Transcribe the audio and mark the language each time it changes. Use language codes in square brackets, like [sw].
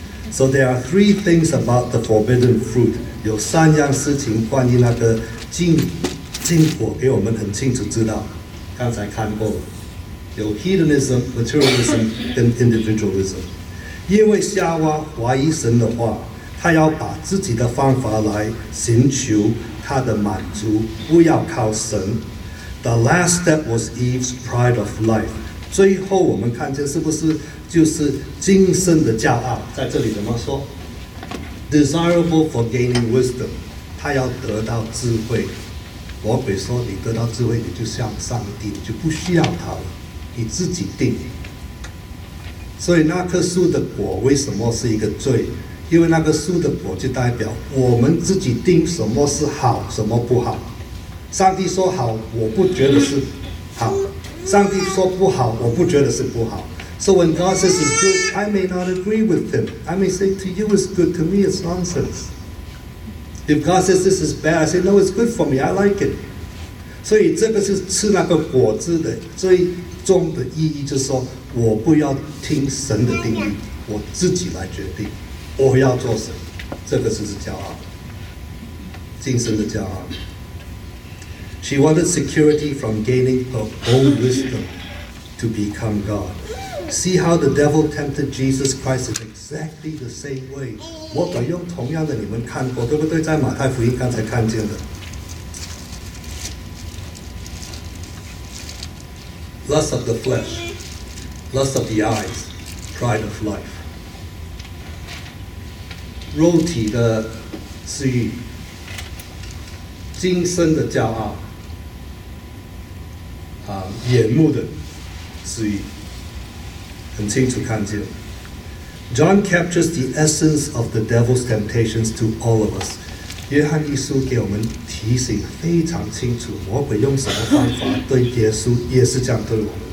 [en] So there are three things about the forbidden fruit. [zh] 有三样事情关于那个禁果，给我们很清楚知道。刚才看过了，有 [en] hedonism, materialism, and individualism. [zh] 因为夏娃怀疑神的话，她要把自己的方法来寻求她的满足，不要靠神。 [en] The last step was Eve's pride of life. [zh] 最后我们看见是不是就是今生的骄傲，在这里怎么说？ [en] Desirable for gaining wisdom. [zh] 他要得到智慧。魔鬼说你得到智慧，你就像上帝，你就不需要他了，你自己定。所以那棵树的果为什么是一个罪？因为那个树的果就代表我们自己定什么是好，什么不好。上帝说好，我不觉得是好；上帝说不好，我不觉得是不好。 [en] So when God says it's good, I may not agree with him. I may say to you, it's good. To me, it's nonsense. If God says this is bad, I say, no, it's good for me. I like it. [zh] 所以这个是吃那个果子的最重的意义，就是说我不要听神的定义，我自己来决定我要做什么。这个就是骄傲，精神的骄傲。 [en] She wanted security from gaining her own wisdom to become God. See how the devil tempted Jesus Christ in exactly the same way. [zh] 我本用同样的你们看过，对不对？在马太福音刚才看见的。 [en] Lust of the flesh, lust of the eyes, pride of life. [zh] 肉体的私欲，今生的骄傲，眼目的私欲，很清楚看见。 [en] John captures the essence of the devil's temptations to all of us. [zh] 约翰一书给我们提醒非常清楚，魔鬼用什么方法对耶稣也是这样对我们。